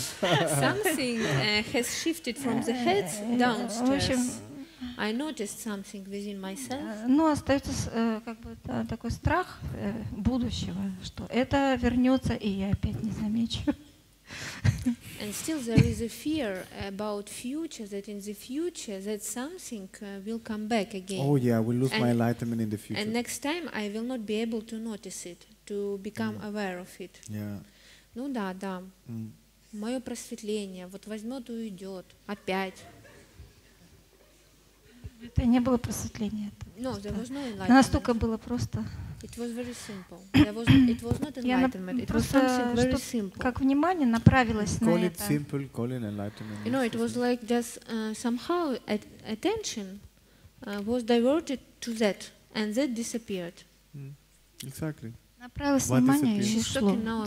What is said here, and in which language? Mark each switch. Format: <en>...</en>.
<en>Something has shifted from the head downstairs. I noticed something within myself.</en> <ru>Ну, остается как бы такой страх будущего, что это вернется, и я опять не замечу.</ru> <en>And still there is a fear about future, that in the future that something will come back again. Oh yeah, I will lose my enlightenment in the future. And next time I will not be able to notice it, to become aware of it. Yeah.</en> <ru>Ну да, да. Mm. Мое просветление вот возьмет и уйдет. Опять. Это не было просветление.</ru> <en>No, there was no</en> <ru>enlightenment. Настолько было просто.</ru> <en>It was very simple. It was not enlightenment. It was something very simple.</en> <ru>Как внимание направилось на это.</ru> <en>Call it simple, call it enlightenment. You know, it was like just somehow attention was diverted to that, and that disappeared. Mm. Exactly.</en> <ru>Направилась внимание, и ушло.</ru>